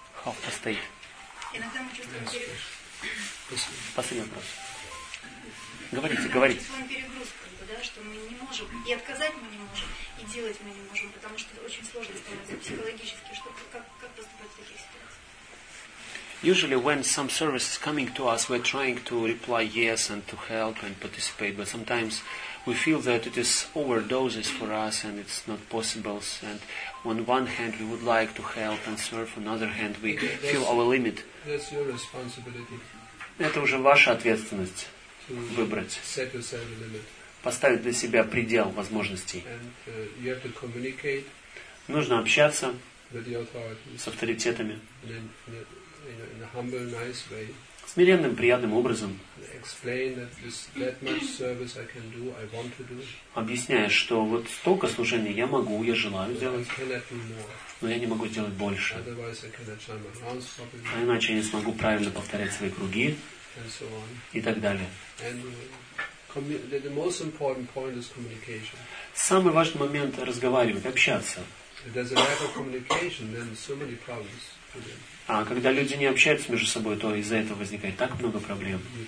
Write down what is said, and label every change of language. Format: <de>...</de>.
<ru>Хоп, постоит. Иногда мы чувствуем перегруз. Последний вопрос. Говорите. Мы чувствуем перегруз, что мы не можем, и отказать мы не можем, и делать мы не можем, потому что это очень сложно становится психологически. Как поступать в таких ситуациях?</ru> <en>Usually when some service is coming to us, we're trying to reply yes and to help and participate, but sometimes we feel that it is overdoses for us and it's not possible, and on one hand we would like to help and serve, on other hand we feel our limit. That's your responsibility.</en> <ru>Это уже ваша ответственность выбрать.</ru> <en>Set yourself a limit.</en> <ru>Поставить для себя предел возможностей.</ru> <en>And, you have to communicate.</en> <ru>Нужно общаться с авторитетами.</ru> <en>In a humble, nice way.</en> <ru>Смиренным, приятным образом.</ru> <en>Explain that that much service I can do, I want to do.</en> <ru>Объясняя, что вот столько служения я могу, я желаю сделать.</ru> <en>I cannot do more.</en> <ru>Но я не могу сделать больше.</ru> <en>Otherwise I cannot chant my rounds properly.</en> <ru>А иначе я не смогу правильно повторять свои круги.</ru> <en>And so on.</en> <ru>И так далее.</ru> <en>And the most important point is communication.</en> <ru>Самый важный момент – разговаривать, общаться.</ru> <en>If there's a lack of communication, then so many problems.</en> <ru>А когда люди не общаются между собой, то из-за этого возникает так много проблем.</ru>